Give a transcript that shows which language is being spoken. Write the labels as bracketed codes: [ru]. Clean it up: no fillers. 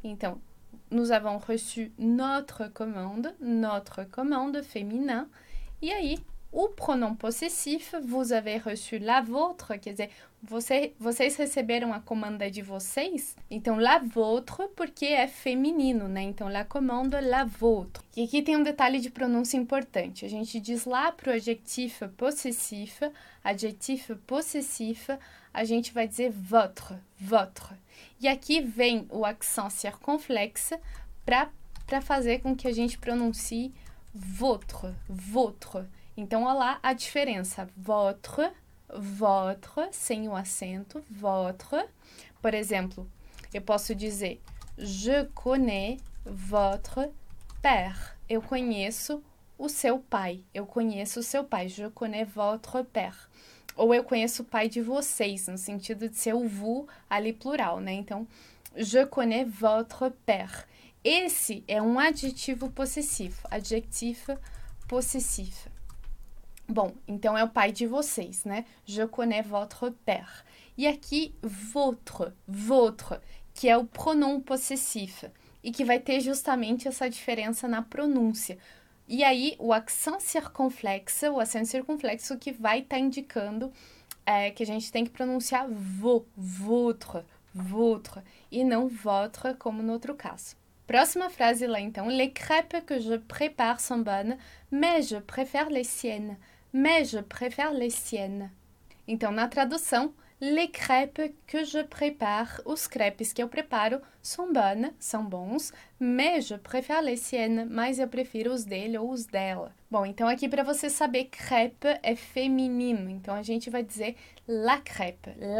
[fr] Então, nous avons reçu notre commande féminin. [pt] E aí, o [fr] pronom possessif, vous avez reçu la vôtre, [pt] quer dizer, vocês receberam a comanda de vocês? Então, [fr] la vôtre, [pt] porque é feminino, né? Então, [fr] la commande, la vôtre. [pt] E aqui tem um detalhe de pronúncia importante. A gente diz lá pro adjectif possessif, a gente vai dizer votre. E aqui vem o accent circonflexe para fazer com que a gente pronuncie votre. Então, olha lá a diferença. Votre, sem o acento, votre. Por exemplo, eu posso dizer: [fr] Je connais votre père. [pt] Eu conheço o seu pai. Eu conheço o seu pai. [fr] Je connais votre père. [pt] Ou eu conheço o pai de vocês, no sentido de ser o vous ali plural, né? [fr] Então, je connais votre père. [pt] Esse é um adjetivo possessif, adjectif possessif. Bom, então é o pai de vocês, né? [fr] Je connais votre père. [pt] E aqui, votre, que é o pronom possessif e que vai ter justamente essa diferença na pronúncia. E aí, o acento circunflexo que vai estar indicando que a gente tem que pronunciar votre, e não votre, como no outro caso. Próxima frase lá, então. [fr] Les crêpes que je prépare sont bonnes, mais je préfère les siennes. Mais je préfère les siennes. [pt] Então, na tradução, [fr] les crêpes que je prépare, [pt] os crepes que eu preparo, são bons, [fr] mais je préfère les siennes, [pt] mas eu prefiro os dele ou os dela. Bom, então aqui para você saber, crêpe é feminino, então a gente vai dizer [fr] la crêpe.